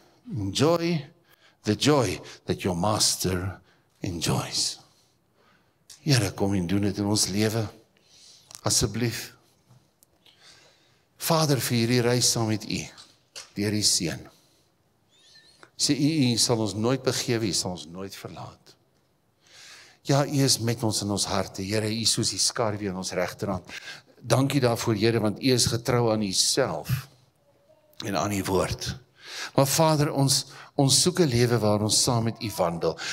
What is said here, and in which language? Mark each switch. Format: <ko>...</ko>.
<en>Enjoy the joy that your master enjoys.</en> <af>Here kom en doen dit in ons lewe. Asseblief. Vader, vir hierdie reis saam met u, deur die seun. Sê u sal ons nooit begewe, u sal ons nooit verlaat. Ja, u is met ons in ons harte. Here, u soos die skaduwee aan ons regterhand. Dankie daarvoor, Here, want u is getrou aan u self en aan u woord. Maar Vader, ons soek 'n lewe waar ons saam met u wandel.</af>